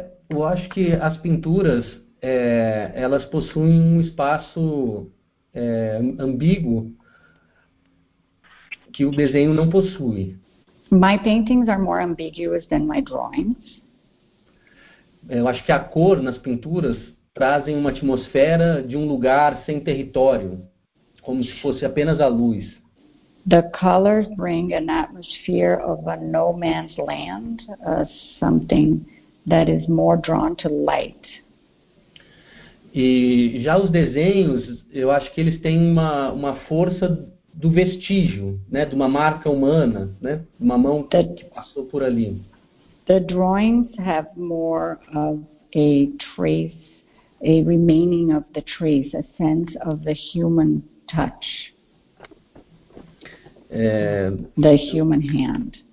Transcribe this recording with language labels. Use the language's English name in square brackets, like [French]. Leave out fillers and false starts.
[Portuguese] Eu acho que as pinturas, elas possuem um espaço ambíguo que o desenho não possui. [English] My paintings are more ambiguous than my drawings. [Portuguese] Eu acho que a cor nas pinturas trazem uma atmosfera de um lugar sem território, como se fosse apenas a luz. [English] The colors bring an atmosphere of a no man's land, something that is more drawn to light. [Portuguese] E já os desenhos, eu acho que eles têm uma força do vestígio, né, de uma marca humana, né, uma mão que passou por ali. [English] The drawings have more of a trace, a remaining of the trace, a sense of the human touch, the human hand.